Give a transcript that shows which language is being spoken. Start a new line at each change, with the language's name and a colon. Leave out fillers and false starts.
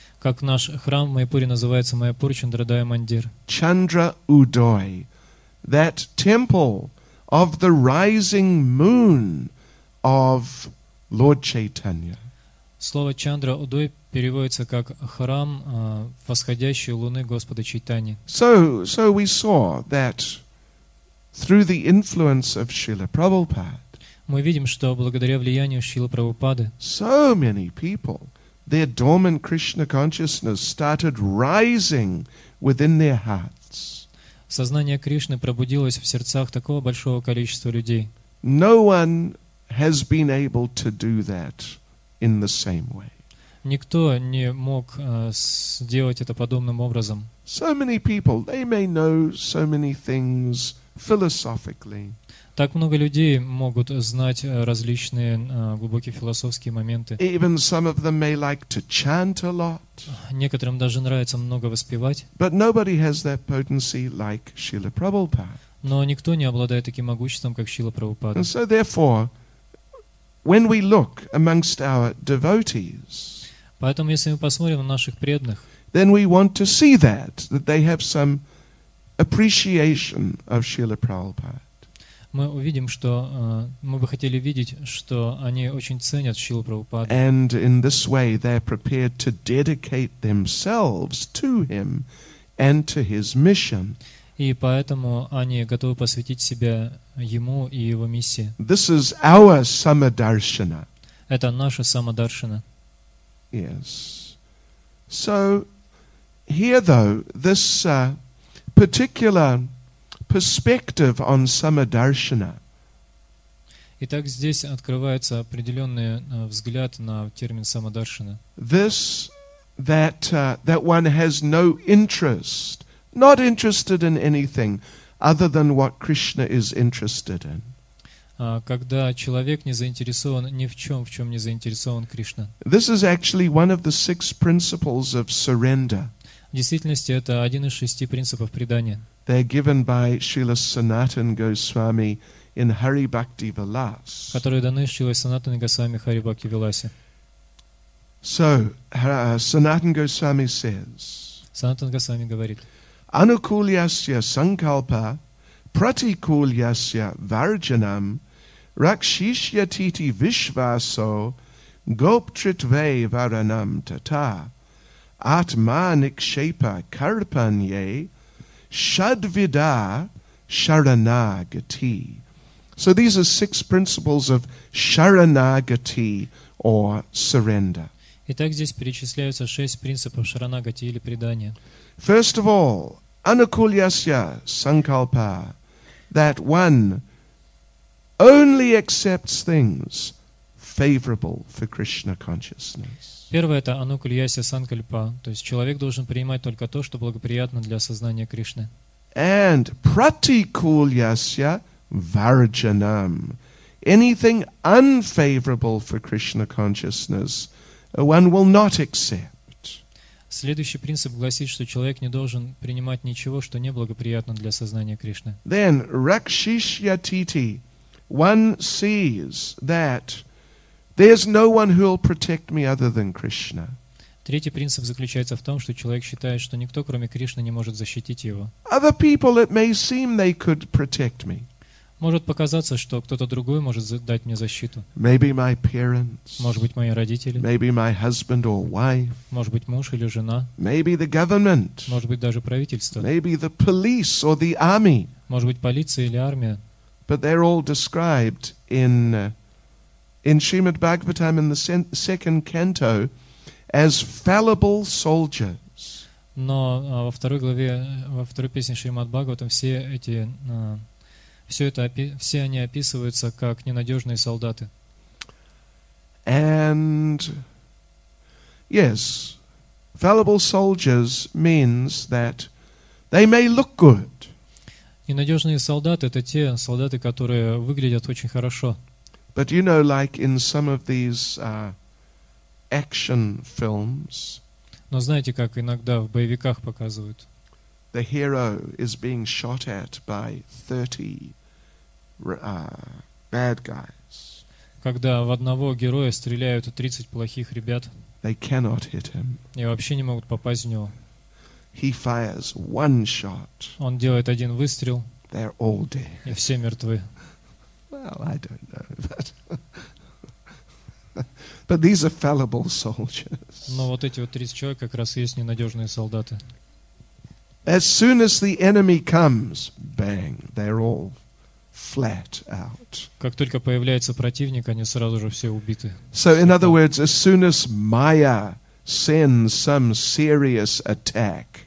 Russian: Как наш храм в Майпуре называется Mayapur Chandradaya Mandir.
English: Chandra Udoy. That temple of the rising moon of Lord Chaitanya.
Russian: Слово Чандра Удой переводится как храм восходящей луны Господа Чайтаньи.
English: So we saw that through the influence of Srila Prabhupada.
Russian: Мы видим, что благодаря влиянию Шрилы Прабхупады
English: so many people, their dormant Krishna consciousness started rising within their hearts.
Russian: Сознание Кришны пробудилось в сердцах такого большого количества людей.
English: No one has been able to do that in the same way.
Russian: Никто не мог сделать это подобным образом.
English: So many people, they may know so many things philosophically.
Russian: Так много людей могут знать различные глубокие философские моменты.
English: Even some of them may like to chant a lot.
Russian: Некоторым даже нравится много воспевать.
English: But nobody has that potency like Srila Prabhupada.
Russian: Но никто не обладает таким могуществом, как Шрила Прабхупада.
English: And so therefore, when we look amongst our devotees,
Russian: поэтому если мы посмотрим на наших преданных,
English: then we want to see that they have some appreciation of Srila Prabhupada.
Russian: Мы увидим, что мы бы хотели видеть, что они очень ценят Шрилу Прабхупаду.
English: And in this way they're prepared to dedicate themselves to him and to his mission.
Russian: И поэтому они готовы посвятить себя ему и его миссии.
English: This is our samadarshana.
Russian: Это наша самадаршина.
English: Yes. So here though this particular perspective on samadarshana.
Russian: Итак, здесь открывается определенный взгляд на термин самадаршина.
English: This that one has no interest, not interested in anything other than what Krishna is interested in.
Russian: Когда человек не заинтересован ни в чем не заинтересован Кришна.
English: This is actually one of the 6 principles of surrender.
Russian: В действительности это один из 6 принципов предания.
English: They're given by Srila Sanatana Goswami in Hari Bhakti Vilas.
Russian: Которые даны Шрилой Санатаной Госвами Хари Бхакти Виласе.
English: So, Sanatana Goswami says.
Russian: Санатан Госвами говорит.
Sanskrit: Anukulyasya sankalpa pratikulyasya varjanam rakshishyatiti vishvaso goptritve varanam tata atma nikshepa karpanye Shadvida Sharanagati.
English: So these are 6 principles of Sharanagati or surrender.
Russian: Итак, здесь перечисляются 6 принципов Sharanagati или предания.
English: First of all, Anukulyasya Sankalpa, that one only accepts things favorable for Krishna consciousness.
Russian: Первое — это анукульяся санкальпа, то есть человек должен принимать только то, что благоприятно для сознания Кришны.
English: And pratikulyasya varjanam. Anything unfavorable for Krishna consciousness, one will not accept.
Russian: Следующий принцип гласит, что человек не должен принимать ничего, что неблагоприятно для сознания Кришны.
English: Then rakshishyatiti. One sees that there's no one who will protect me other than Krishna.
Russian: Третий принцип заключается в том, что человек считает, что никто, кроме Кришны, не может защитить его.
English: Other people, it may seem, they could protect me.
Russian: Может показаться, что кто-то другой может дать мне защиту.
English: Maybe my parents.
Russian: Может быть, мои родители.
English: Maybe my husband or wife.
Russian: Может быть, муж или жена.
English: Maybe the government.
Russian: Может быть, даже правительство.
English: Maybe the police or the army.
Russian: Может быть, полиция или армия.
English: But they're all described in Srimad Bhagavatam in the second canto as fallible soldiers.
Russian: Но во второй главе, во второй песне Шримад Бхагаватам, все эти все они описываются как ненадежные солдаты.
English: And yes, fallible soldiers means that they may look good.
Russian: Ненадежные солдаты — это те солдаты, которые выглядят очень хорошо.
English: But you know, like in some of these action films.
Russian: Но знаете, как иногда в боевиках показывают?
English: The hero is being shot at by 30 bad guys.
Russian: Когда в одного героя стреляют 30 плохих ребят.
English: They cannot hit him.
Russian: И вообще не могут попасть в него.
English: He fires one shot.
Russian: Он делает один выстрел.
English: They're all dead.
Russian: И все мертвы.
English: Well, I don't know, but these are fallible soldiers.
Russian: Но вот эти вот 30 человек как раз и есть ненадежные солдаты.
English: As soon as the enemy comes, bang, they're all flat out.
Russian: Как только появляется противник, они сразу же все убиты.
English: So in other words, as soon as Maya sends some serious attack.